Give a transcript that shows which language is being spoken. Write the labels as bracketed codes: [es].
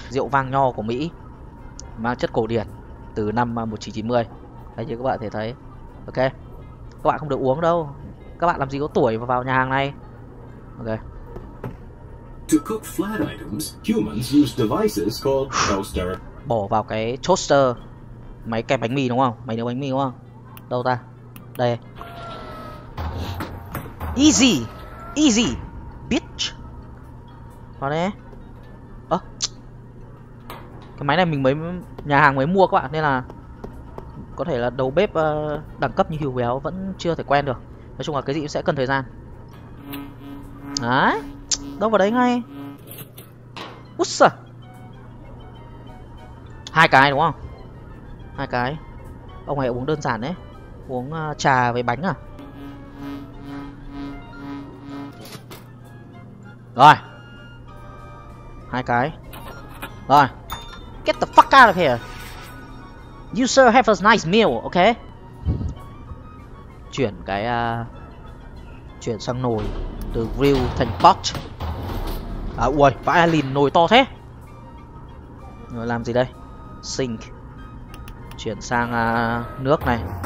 [vi] Rượu vang nho của Mỹ. Mang chất cổ điển từ năm 1990. Đấy như các bạn có thể thấy. Ok. Các bạn không được uống đâu. Các bạn làm gì có tuổi mà vào nhà hàng này. Ok. [en] To cook flat items, humans use devices called toaster. [vi] Bỏ vào cái toaster. Máy kẹp bánh mì đúng không? Máy nướng bánh mì đúng không? Đâu ta? Đây. [en] Easy. Easy. Bitch. [vi] Vào đây. Ơ. Cái máy này mình mới nhà hàng mới mua các bạn nên là có thể là đầu bếp đẳng cấp như hiu béo vẫn chưa thể quen được. Nói chung là cái gì cũng sẽ cần thời gian. Đấy. Đâu vào đấy ngay. Úi xa. Hai cái đúng không? Hai cái. Ông này uống đơn giản đấy. Uống trà với bánh à? Rồi. Hai cái. Rồi. [en] Get the fuck out of here. You sir have a nice meal, ok? [vi] Chuyển cái... chuyển sang nồi từ grill thành pot. À ui, vãi lìn nồi to thế. Rồi làm gì đây? Sink. Chuyển sang nước này.